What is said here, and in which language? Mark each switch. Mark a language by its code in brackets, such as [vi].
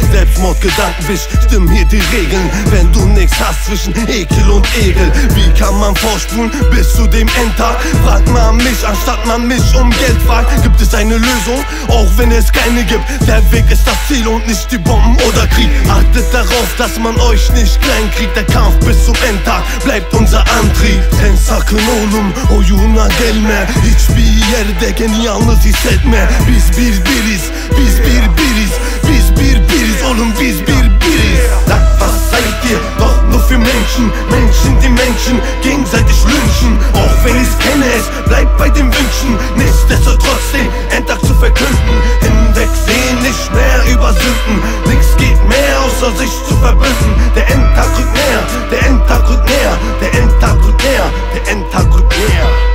[de] Selbstmordgedanken, wisch, stimmen hier die Regeln. Wenn du nix hast zwischen Ekel und Ekel, wie kann man vorspulen bis zu dem Endtag? Frag mal mich, anstatt man mich um Geld fragt. Gibt es eine Lösung, auch wenn es keine gibt? Der Weg ist das Ziel und nicht die Bomben oder Krieg. Achtet darauf, dass man euch nicht klein kriegt. Der Kampf bis zum Ende bleibt unser Antrieb. [tr] Tensakun olum, oyuna gelme. Hiçbir yerdeken yalnız hissetme. Biz bir biriz, biz bir biriz. Biz bir biriz, oğlum biz bir biriz. [de] Lan was seid ihr? Doch nur für Menschen. Menschen, die Menschen gegenseitig lynchen. Auch wenn ich's kenne, es bleibt bei den Wünschen. Nichtsdestotrotz den Endtag zu verkünden. Hinwegsehen, nicht mehr über Sünden. Nix geht mehr, außer sich zu verbünden. Der Endtag rückt näher, der Endtag rückt näher. Der Endtag rückt näher, der Endtag rückt näher.